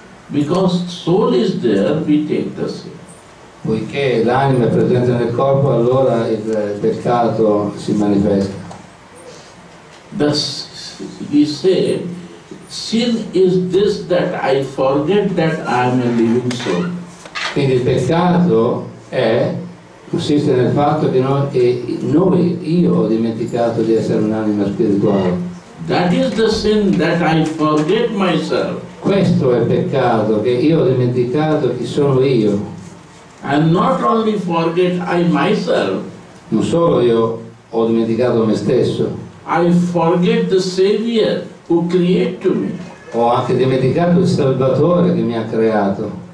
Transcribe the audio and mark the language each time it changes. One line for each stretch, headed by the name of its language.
English: Because soul is there, we take the sin.
Italian: Poiché l'anima è presente nel corpo, allora il peccato si manifesta.
English: Thus, we say, sin is this that I forget that I am a living soul.
Italian: Quindi il peccato è, consiste nel fatto che io ho dimenticato di essere un'anima spirituale.
English: That is the sin that I forget myself.
Italian: Questo è il peccato, che io ho dimenticato chi sono io.
English: And not only forget I myself.
Italian: Non solo io ho dimenticato me stesso.
English: I forget the Savior who created me.
Italian: Ho anche dimenticato il Salvatore che mi ha creato.